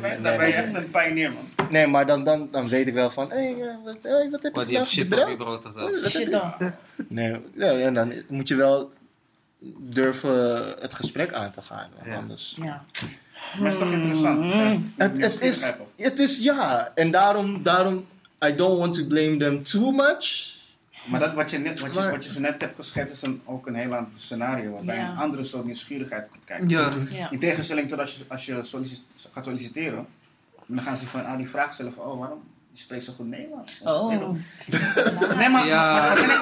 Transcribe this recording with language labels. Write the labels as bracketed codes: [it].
[nl] bent, dan ben je echt een pioneer, man. Nee, maar dan weet ik wel van... Wat heb je gedaan? Je hebt shit op je brood of zo. Nee, ja, dan moet je wel durven het gesprek aan te gaan. Ja. Anders... Ja. Maar het is toch interessant. Mm. Het is, ja. En daarom... [en] I don't want to blame them too much. [nl] Maar dat wat je zo net hebt geschetst... is dan ook een heel ander scenario... waarbij een andere soort nieuwsgierigheid komt kijken. Ja. Ja. In tegenstelling tot als je gaat solliciteren... Dan gaan ze van die vraag stellen van, waarom je spreekt zo goed Nederlands? Oh. Nee, maar... Ja.